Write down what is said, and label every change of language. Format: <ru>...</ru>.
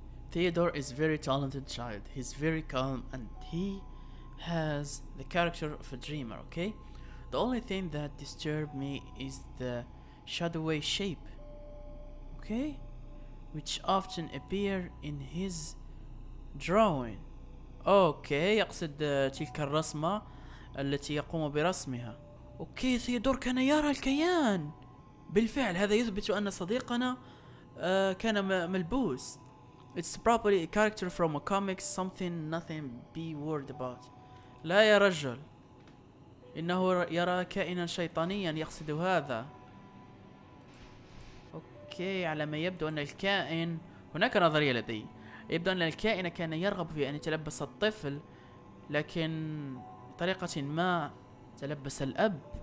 <en>Theodore is very talented child. He's very calm and he has the character of a dreamer, okay? The only thing that disturbed me is the shadowy shape, okay? Which often appear in his drawing.</en> <ar>Okay, يقصد تلك الرسمة التي يقوم برسمها. Okay, Theodore كان يرى الكيان. بالفعل هذا يثبت أن صديقنا كان ملبوس.</ar> <en>It's probably a character from a comic, something nothing be worried about.</en> <ar>لا يا رجل، إنه يرى كائنا شيطانيا يقصد هذا. أوكي، على ما يبدو أن الكائن، هناك نظرية لدي، يبدو أن الكائن كان يرغب في أن يتلبس الطفل، لكن طريقة ما تلبس الأب.</ar>